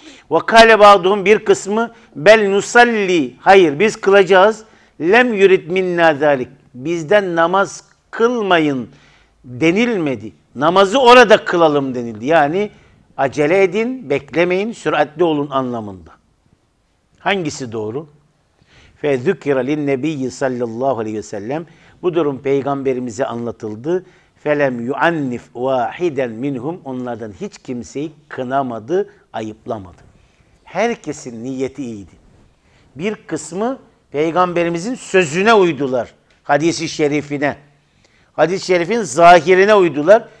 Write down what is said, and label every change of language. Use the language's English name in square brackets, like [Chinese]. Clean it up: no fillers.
[Arabic] وَقَالَ بَعْضُهُمْ [Turkish] Bir kısmı [Arabic] بَلْ نُسَلِّ [Turkish] Hayır biz kılacağız. [Arabic] لَمْ يُرِدْ مِنَّا ذَلِكَ [Turkish] Bizden namaz kılmayın denilmedi. Namazı orada kılalım denildi. Yani acele edin, beklemeyin, süratli olun anlamında. Hangisi doğru? [Arabic] فَذُكِرَ لِلنَّبِيِّ صَلَّى اللّٰهُ عَلَيْهِ وَسَلَّمُ [Turkish] Bu durum peygamberimize anlatıldı. [Arabic] فَلَمْ يُعَنِّفْ وَاحِدًا مِنْهُمْ [Turkish] Onlardan hiç kimseyi kınamadı, ayıplamadı. Herkesin niyeti iyiydi. Bir kısmı peygamberimizin sözüne uydular. Hadis-i şerifine. Hadis-i şerifin zahirine uydular.